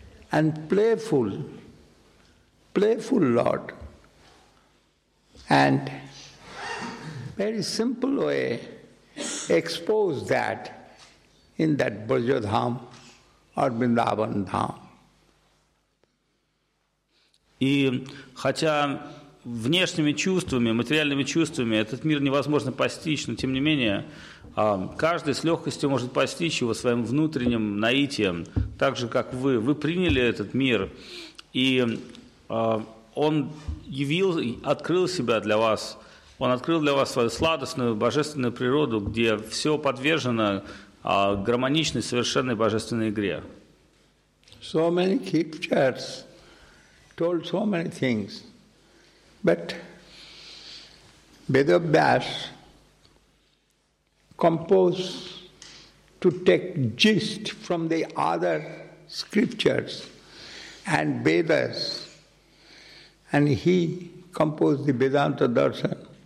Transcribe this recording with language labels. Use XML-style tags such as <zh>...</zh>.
<en>And playful, playful Lord, and very simple way expose that in that Brajadham or Vrindavan Dham.</en> <ru>И хотя внешними чувствами, материальными чувствами этот мир невозможно постичь, но тем не менее каждый с легкостью может постичь его своим внутренним наитием, так же, как вы. Вы приняли этот мир, и он явил, открыл себя для вас, он открыл для вас свою сладостную божественную природу, где все подвержено гармоничной, совершенной божественной игре.</ru> <en>So many scriptures told so many things, but Vedavyas compose to take gist from the other scriptures and Vedas, and he composed the Vedanta Darshan,</en>